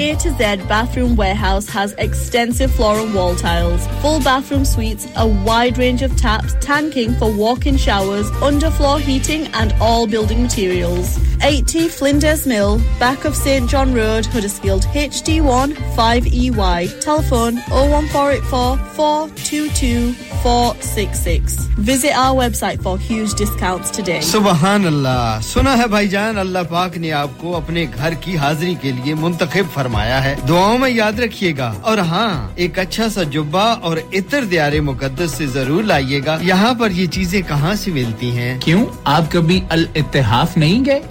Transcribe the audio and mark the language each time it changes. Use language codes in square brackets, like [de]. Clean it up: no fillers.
[en] A to Z bathroom warehouse has extensive floor and wall tiles full bathroom suites a wide range of taps tanking for walk in showers underfloor heating and all building materials 80 Flinders Mill, back of St. John Road, Huddersfield, HD1 5EY. Telephone 01484 422 466. Visit our website for huge discounts today. [ur] Subhanallah. Suna hai بھائی جان اللہ پاک نے آپ کو اپنے گھر کی حاضری کے لیے منتخب فرمایا ہے دعاؤں میں یاد رکھیے گا اور ہاں ایک اچھا سا جبہ اور عطر دیار مقدس سے ضرور لائیے گا یہاں پر یہ چیزیں کہاں سے ملتی ہیں کیوں آپ کبھی الاتحاف نہیں گئے